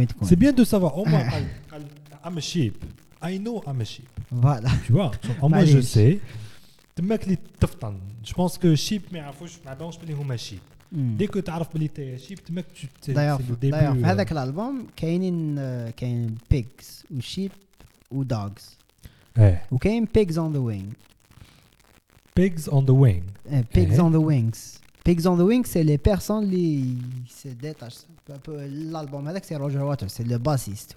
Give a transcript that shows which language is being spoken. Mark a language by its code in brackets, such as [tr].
[fr] tu c'est bien de savoir au moins [en] I'm a sheep I know I'm a sheep [fr] voilà tu vois au moins je sais [ar] تماك لي تفطن [fr] je pense que [ar] sheep ما يعرفوش ما بانش بلي هما شيب [fr] dès que [ar] تعرف بلي تي شيب تماك tu [fr] c'est le début d'ailleurs [ar] في هذاك الالبوم كاينين كاين pigs و sheep و dogs و كاين [en] pigs on the wing Pigs on the wing. Pigs on the wings. Pigs on the wings, [fr] c'est les personnes qui se détachent. L'album, c'est Roger Waters, c'est le bassiste.